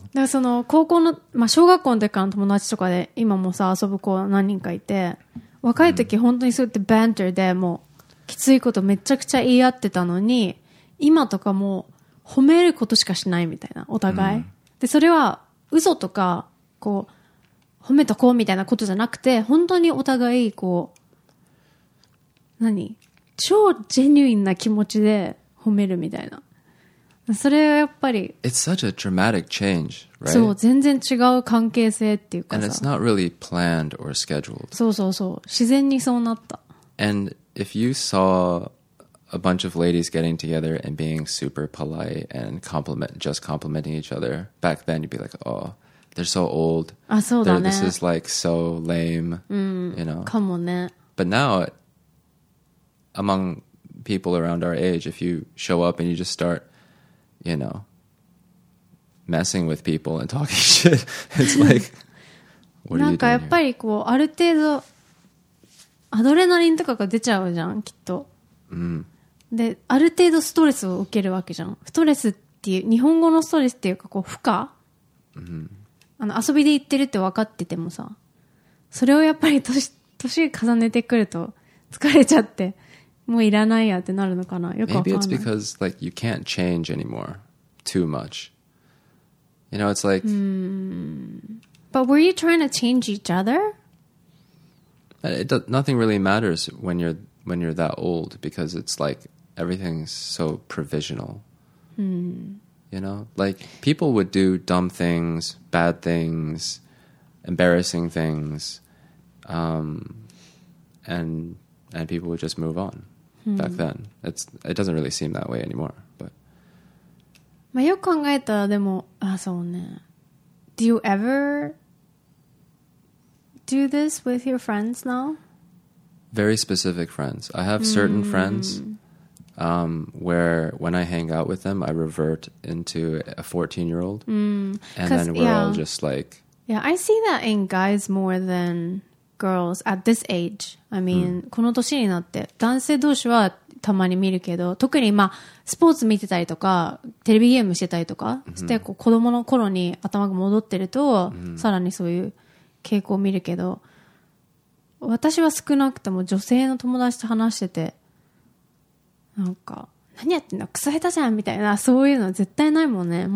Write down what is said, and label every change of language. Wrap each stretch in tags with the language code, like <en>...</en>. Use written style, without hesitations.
<ja>だからその高校の、まあ、小学校の時からの友達とかで今もさ遊ぶ子何人かいて若い時本当にそうやってバンターでもうきついことめちゃくちゃ言い合ってたのに今とかも褒めることしかしないみたいなお互い、でそれは嘘とかこう褒めとこうみたいなことじゃなくて本当にお互いこう何超ジェニュインな気持ちで褒めるみたいなそれはやっぱり</ja> <en>It's such a dramatic change, right?</en> <ja>そう全然違う関係性っていうかさ</ja> <en>And it's not really planned or scheduled</en> <ja>そうそうそう自然にそうなった</ja> <en>And if you sawa bunch of ladies getting together and being super polite and complimenting each other. Back then, you'd be like, oh, they're so old. Ah, so that. This is like so lame, you know.</en> <ja>かもね。</ja> <en>But now, among people around our age, if you show up and you just start, you know, messing with people and talking shit, it's like, what are you doing here?</en> <ja>なんかやっぱりこう、ある程度、アドレナリンとかが出ちゃうじゃん、きっと。で、ある程度ストレスを受けるわけじゃん。ストレスっていう、日本語のストレスっていうか、こう、負荷、遊びで言ってるって分かっててもさ、それをやっぱり年重ねてくると、疲れちゃって、もういらないやってなるのかな。よく分かんない。</ja> <en>Maybe it's because, like, you can't change anymore too much. You know, it's like... But were you trying to change each other? Nothing really matters when you're that old, because it's like everything's so provisional. You know, like people would do dumb things, bad things, embarrassing things, and people would just move on. Back then, it doesn't really seem that way anymore. But. Do you ever do this with your friends now? Very specific friends. I have certain friends where when I hang out with them, I revert into a 14-year-old. And then we're all just like... Yeah, I see that in guys more than girls at this age. I mean,</en> <ja>この年になって男性同士はたまに見るけど、特にまあスポーツ見てたりとかテレビゲームしてたりとか、してこう子供の頃に頭が戻ってると、さらにそういう傾向を見るけど、私は少なくとも女性の友達と話してて、なんか何やってんだ、クソ下手じゃんみたいな、そういうの絶対ないもんね。</ja>